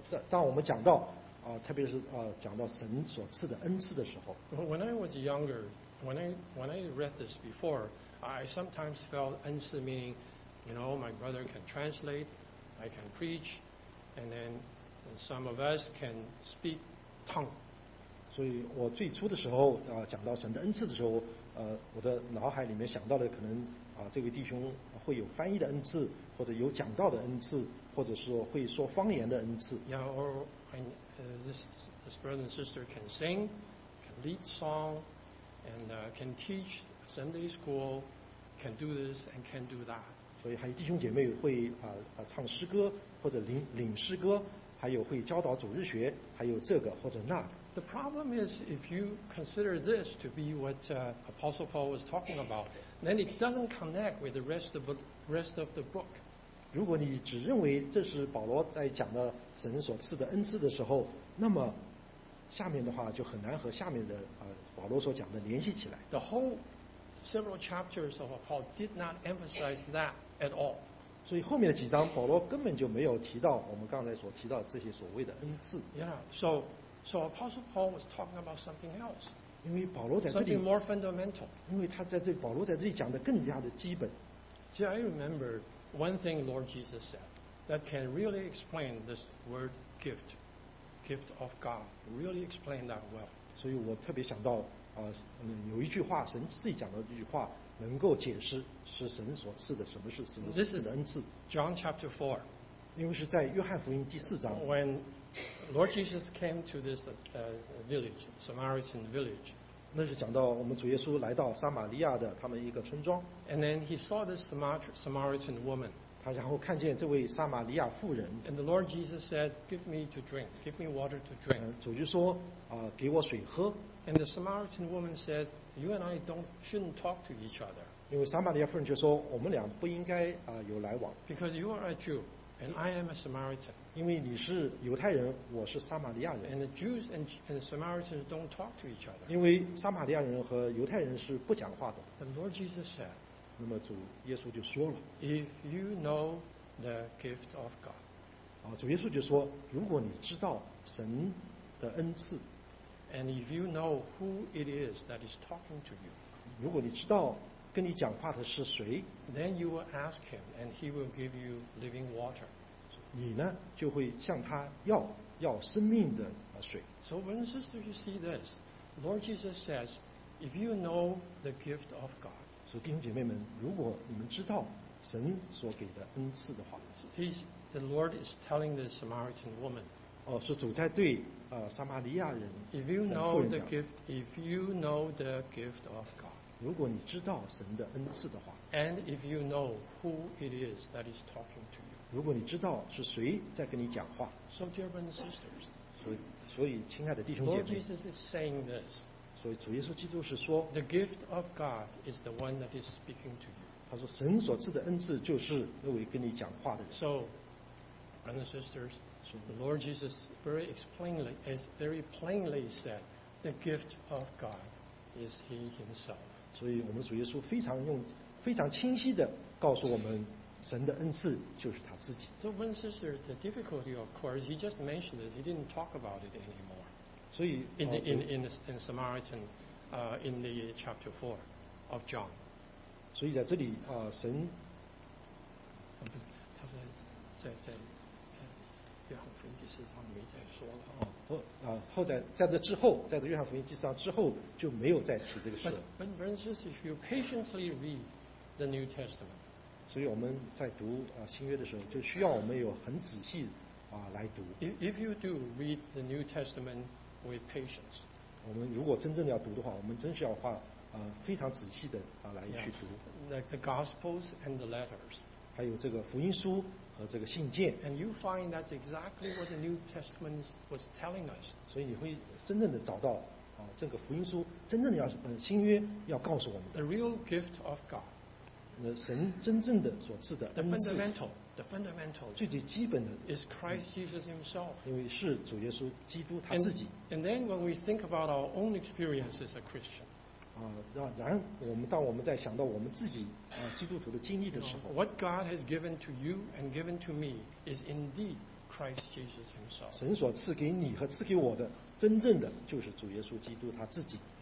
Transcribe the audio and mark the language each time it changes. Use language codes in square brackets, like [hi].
[zh] 当我们讲到特别是讲到神所赐的恩赐的时候。 [en] When I was younger, when I read this before, I sometimes felt 恩赐 meaning, you know, my brother can translate, I can preach, and then some of us can speak tongue. [zh] 所以我最初的时候讲到神的恩赐的时候我的脑海里面想到的可能这位弟兄会有翻译的恩赐，或者有讲道的恩赐，或者说会说方言的恩赐。 [en] Yeah, or this brother and sister can sing, can lead song, and can teach Sunday school, can do this and can do that. [zh] 所以还有弟兄姐妹会唱诗歌或者领诗歌，还有会教导主日学，还有这个或者那个。 [en] The problem is if you consider this to be what Apostle Paul was talking about, then it doesn't connect with the rest of the book. [zh] 如果你只认为这是保罗在讲的神所赐的恩赐的时候，那么下面的话就很难和下面的保罗所讲的联系起来。 [en] The whole several chapters of Paul did not emphasize that at all. [zh] 所以后面的几章保罗根本就没有提到我们刚才所提到这些所谓的恩赐。 [en] Yeah, So Apostle Paul was talking about something else. [zh] 因为保罗在这里 [en] something more fundamental. [zh] 因为他在这保罗在这里讲的更加的基本。 [en] See, I remember one thing Lord Jesus said that can really explain this word gift, gift of God, really explain that well. [zh] 所以我特别想到有一句话神自己讲的一句话能够解释是神所赐的什么是神所赐的恩赐。 [en] This is John chapter 4. [zh] 因为是在约翰福音第四章。 [en] When Lord Jesus came to this village, Samaritan village. [zh] 那是讲到我们主耶稣来到撒玛利亚的他们一个村庄。 [en] And then he saw this Samaritan woman. [zh] 他然后看见这位撒玛利亚妇人。 [en] And the Lord Jesus said, "Give me to drink. Give me water to drink." [zh] 主就说给我水喝。 [en] And the Samaritan woman says, "You and I shouldn't talk to each other." [zh] 因为撒玛利亚妇人就说我们俩不应该有来往。 [en] Because you are a Jew. And I am a Samaritan. [zh] 因为你是犹太人，我是撒玛利亚人。 [en] And the Jews and Samaritans don't talk to each other. [zh] 因为撒玛利亚人和犹太人是不讲话的。 [en] The Lord Jesus said. [zh] 那么主耶稣就说了。 [en] If you know the gift of God. [zh] 主耶稣就说，如果你知道神的恩赐。 [en] And if you know who it is that is talking to you. [zh] 如果你知道。跟你讲话的是谁 [en] ？Then you will ask him, and he will give you living water. [zh] 你呢，就会向他要生命的水。 [en] So, brothers and sisters, you see this. Lord Jesus says, if you know the gift of God. [zh] 所以弟兄姐妹们，如果你们知道神所给的恩赐的话 [en] the Lord is telling the Samaritan woman. [zh] 是主在对撒玛利亚人。 [en] If you know the gift, if you know the gift of God. [zh] 如果你知道神的恩赐的话 [en] ，and if you know who it is that is talking to you， [zh] 如果你知道是谁在跟你讲话 [en] ，so dear brothers and sisters， [zh] 所以亲爱的弟兄姐妹 [en] ，Lord Jesus is saying this， [zh] 所以主耶稣基督是说 [en] ，the gift of God is the one that is speaking to you， [zh] 他说神所赐的恩赐就是那位跟你讲话的人 [en] ，so brothers and sisters， the Lord Jesus very plainly said the gift of God is He Himself。 [zh] 所以我们主耶稣非常清晰地告诉我们神的恩赐就是他自己。 [en] So when sister the difficulty of course he just mentioned it he didn't talk about it anymore. [zh] 所以 [en] in Samaritan in the chapter 4 of John. [zh] 所以在这里神他说在约翰福音第四章没再说了后来在这之后，在这约翰福音第四章之后就没有再提这个事了。 [en] But brothers, if you patiently read the New Testament, [zh] 所以我们在读新约的时候，就需要我们有很仔细来读。 [en] If you do read the New Testament with patience, [zh] 我们如果真正要读的话，我们真是要花非常仔细的来去读。 [en] Like the Gospels and the letters. [zh] 还有这个福音书和这个信件 [en] ，and you find that's exactly what the New Testament was telling us。 [zh] 所以你会真正的找到这个福音书真正的要新约要告诉我们的。 [en] The real gift of God。 [zh] 神真正的所赐的恩赐。 [en] The fundamental, the fundamental [zh] 最基本的, [en] is Christ Jesus himself. [zh] 因为是主耶稣基督, [en] and then when we think about our own experience as a Christian, [zh] 然后我们自己基督徒的经历的时候, [en] what God has given to you and given to me is indeed Christ Jesus himself. [zh] 神所赐给你和赐给我的, 真正的就是主耶稣基督他自己。